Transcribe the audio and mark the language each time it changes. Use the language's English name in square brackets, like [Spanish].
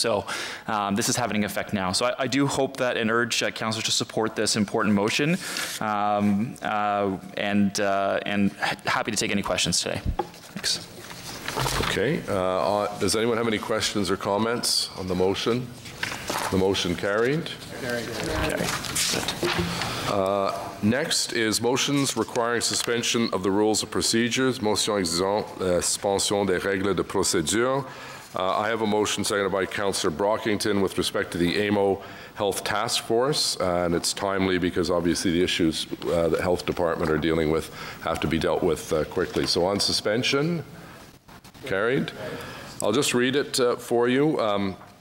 [English] So this is having an effect now. So I do hope that and urge councillors to support this important motion, and happy to take any questions today. Thanks. Okay. Does anyone have any questions or comments on the motion? The motion carried. Next is motions requiring suspension of the rules of procedures. [French] Motion exigeant la suspension des règles de procédure. [English] I have a motion seconded by Councillor Brockington with respect to the AMO Health Task Force, and it's timely because obviously the issues the health department are dealing with have to be dealt with quickly. So on suspension, carried. I'll just read it for you.